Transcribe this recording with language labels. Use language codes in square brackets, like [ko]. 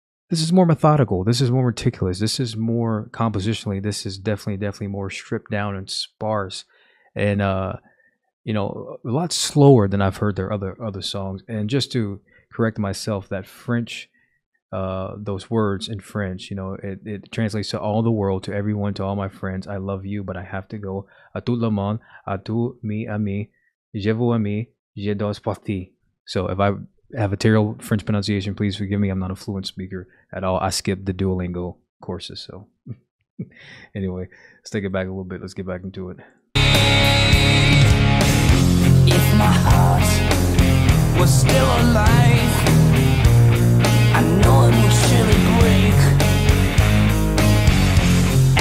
[en] This is more methodical, this is more meticulous, this is more compositionally, this is definitely more stripped down and sparse. And you know, a lot slower than I've heard their other songs. And just to correct myself, that French, those words in French, you know, it translates to all the world, to everyone, to all my friends. I love you, but I have to go. [fr] A tout le monde, à tout mi ami, je vous aime, je dois partir. [en] So if I have a terrible French pronunciation, please forgive me. I'm not a fluent speaker at all. I skipped the Duolingo courses. So anyway, let's take it back a little bit. Let's get back into it. If my heart was still alive, I know it would surely break.